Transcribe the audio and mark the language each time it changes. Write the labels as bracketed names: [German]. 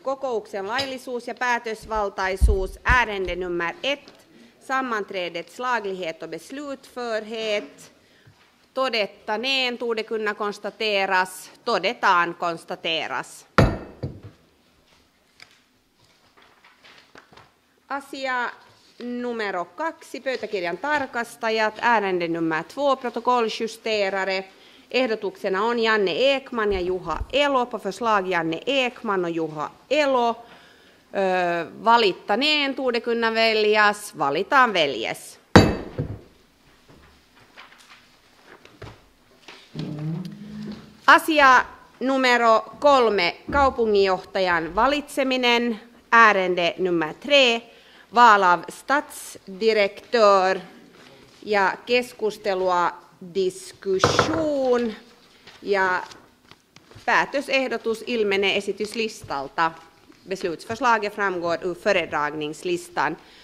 [Finnish] Kokouksen laillisuus ja päätösvaltaisuus. [Swedish] Ärende nummer 1. Sammanträdets laglighet och beslutförhet. [Finnish] Todettaneen [Swedish] torde kunna konstateras. [Finnish] Todetaan [Swedish] konstateras. [Finnish] Asia numero 2. Pöytäkirjan tarkastajat. [Swedish] Ärende nummer 2. Protokolljusterare. [Finnish] Ehdotuksena on Janne Ekman ja Juha Elo. [Swedish] På förslag Janne Ekman och Juha Elo. [Finnish] Valittaneen [Swedish] torde kunna väljas. [Finnish] Valitaan [Swedish] väljes. [Finnish] Asia numero 3. Kaupunginjohtajan valitseminen. [Swedish] Ärende nummer 3. Val av statsdirektör. [Finnish] Ja keskustelua. [Swedish] Diskussion [Finnish] ja päätösehdotus ilmenee esityslistalta. [Swedish] Beslutsförslaget framgår ur föredragningslistan.